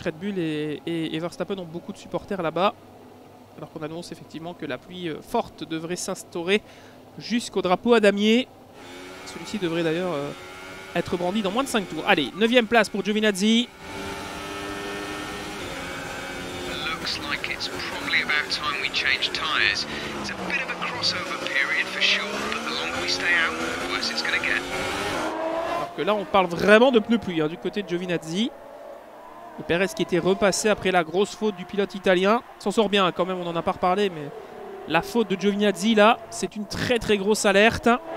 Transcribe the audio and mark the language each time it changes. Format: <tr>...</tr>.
<fr>Red Bull et Verstappen ont beaucoup de supporters là-bas. Alors qu'on annonce effectivement que la pluie forte devrait s'instaurer jusqu'au drapeau à damier. Celui-ci devrait d'ailleurs... être brandi dans moins de 5 tours. Allez, 9e place pour Giovinazzi.</fr> <en>looks like it's probably about time we change tyres. It's a bit of a crossover period for sure, but the longer we stay out, the worse it's going to get.</en> <fr>Alors que là, on parle vraiment de pneus pluie hein, du côté de Giovinazzi. Et Perez qui était repassé après la grosse faute du pilote italien. S'en sort bien quand même, on n'en a pas reparlé, mais la faute de Giovinazzi là, c'est une très très grosse alerte.</fr>